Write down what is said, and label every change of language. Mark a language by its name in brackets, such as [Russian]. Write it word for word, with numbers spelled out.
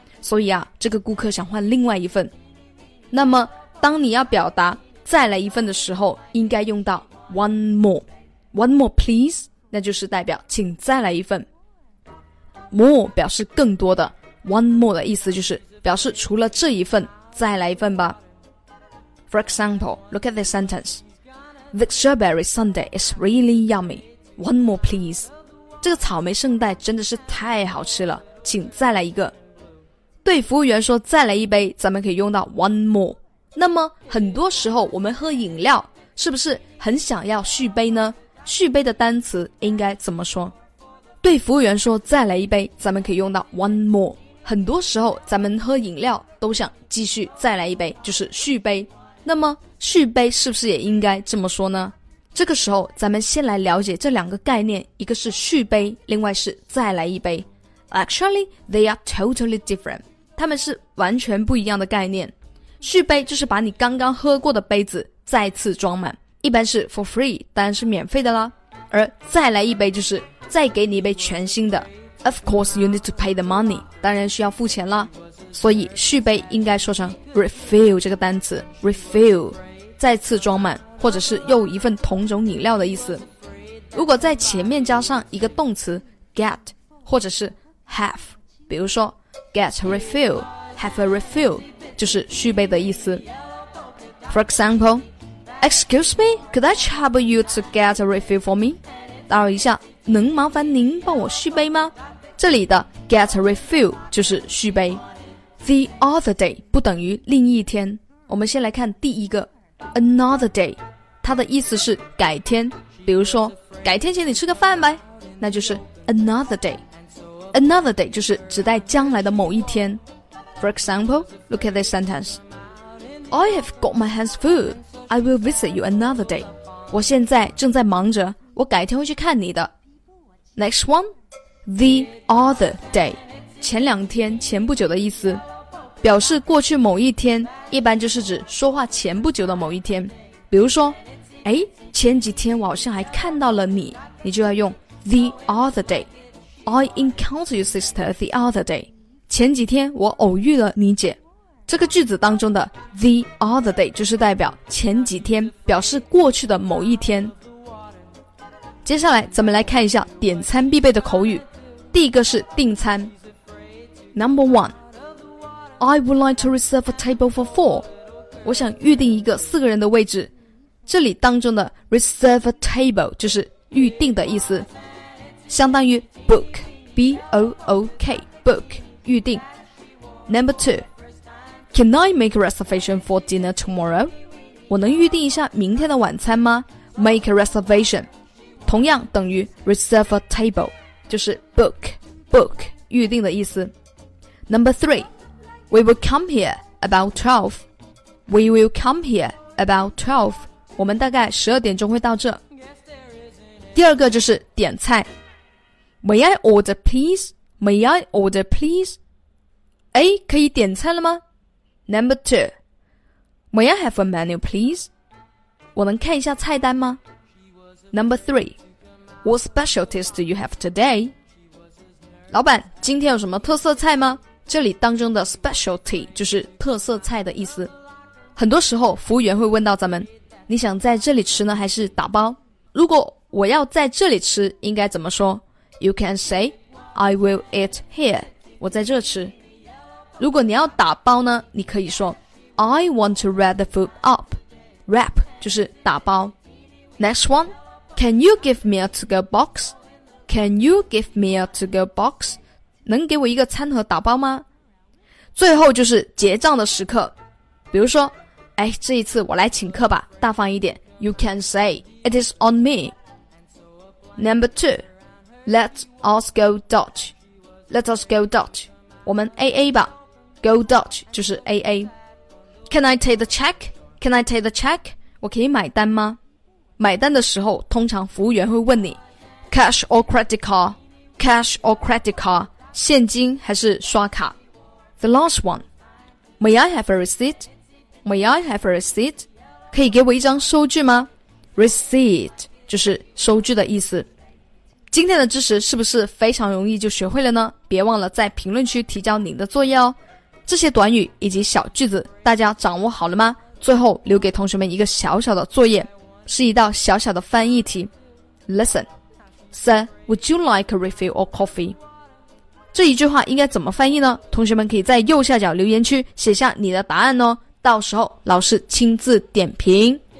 [Chinese] 所以啊，这个顾客想换另外一份。那么当你要表达再来一份的时候，应该用到 one more, [English] one more please， [Chinese] 那就是代表请再来一份。 more 表示更多的， one more 的意思就是表示除了这一份，再来一份吧。 [English] For example, look at this sentence. The strawberry sundae is really yummy. One more please. [Chinese] 这个草莓圣代真的是太好吃了，请再来一个。对服务员说再来一杯，咱们可以用到 one more。那么很多时候我们喝饮料是不是很想要续杯呢？续杯的单词应该怎么说？对服务员说再来一杯，咱们可以用到 one more。很多时候咱们喝饮料都想继续再来一杯，就是续杯。那么续杯是不是也应该这么说呢？这个时候咱们先来了解这两个概念，一个是续杯，另外是再来一杯。 [English] Actually, they are totally different. [Chinese] 它们是完全不一样的概念。续杯就是把你刚刚喝过的杯子再次装满，一般是 for free， 当然是免费的啦。而再来一杯就是再给你一杯全新的， [English] Of course, you need to pay the money. [Chinese] 当然需要付钱了。所以续杯应该说成 refill 这个单词 refill 再次装满，或者是又一份同种饮料的意思。如果在前面加上一个动词 get 或者是 have， 比如说 get a refill, have a refill 就是续杯的意思。 [English] For example, Excuse me, could I trouble you to get a refill for me? [Chinese] 打扰一下，能麻烦您帮我续杯吗？这里的 get a refill 就是续杯。 The other day 不等于另一天。我们先来看第一个 another day， 它的意思是改天，比如说改天请你吃个饭呗，那就是 another day。 Another day 就是指代将来的某一天。 [English] For example, look at this sentence. I have got my hands full. I will visit you another day. [Chinese] 我现在正在忙着，我改天会去看你的。 [English] Next one, [Chinese] the other day， 前两天，前不久的意思，表示过去某一天，一般就是指说话前不久的某一天。比如说，哎，前几天我好像还看到了你，你就要用 the other day。 [English] I encountered your sister the other day。 [Chinese] 前几天我偶遇了你姐。这个句子当中的 the other day 就是代表前几天，表示过去的某一天。接下来咱们来看一下点餐必备的口语。第一个是订餐。 [English] Number one, I would like to reserve a table for four. [Chinese] 我想预定一个四个人的位置。这里当中的 reserve a table 就是预定的意思，相当于 book, B O O K, book 预定。 [English] Number two, Can I make a reservation for dinner tomorrow? [Chinese] 我能预定一下明天的晚餐吗？ Make a reservation同样等于 reserve a table， 就是 book, book 预定的意思。 [English] Number three, We will come here about twelve. We will come here about twelve. [Chinese] 我们大概十二点钟会到这。第二个就是点菜。 [English] May I order please? May I order please? [Chinese] 哎，可以点菜了吗？ [English] Number two, May I have a menu please? [Chinese] 我能看一下菜单吗？ [English] Number three, What specialties do you have today? [Chinese] 老板，今天有什么特色菜吗？这里当中的 specialty 就是特色菜的意思。很多时候服务员会问到咱们你想在这里吃呢，还是打包？如果我要在这里吃，应该怎么说？ [English] You can say, I will eat here. [Chinese] 我在这吃。如果你要打包呢，你可以说 [English] I want to wrap the food up. Wrap [Chinese] 就是打包。 [English] Next one, Can you give me a to-go box? Can you give me a to-go box? [Chinese] 能给我一个餐盒打包吗？最后就是结账的时刻。比如说，哎，这一次我来请客吧，大方一点。 [English] You can say, It is on me. Number two, Let us go Dutch. Let us go Dutch. [Chinese] 我们 A A 吧。 Go Dutch 就是 A A。 [English] Can I take the check? Can I take the check? [Chinese] 我可以买单吗？买单的时候，通常服务员会问你 [English] Cash or credit card? Cash or credit card? [Chinese] 现金还是刷卡？ [English] The last one, May I have a receipt? May I have a receipt? [Chinese] 可以给我一张收据吗？ Receipt 就是收据的意思。今天的知识是不是非常容易就学会了呢？别忘了在评论区提交您的作业哦。这些短语以及小句子大家掌握好了吗？最后留给同学们一个小小的作业，是一道小小的翻译题。 [English] Listen, Sir, would you like a refill or coffee? [Chinese] 这一句话应该怎么翻译呢？同学们可以在右下角留言区写下你的答案哦，到时候老师亲自点评。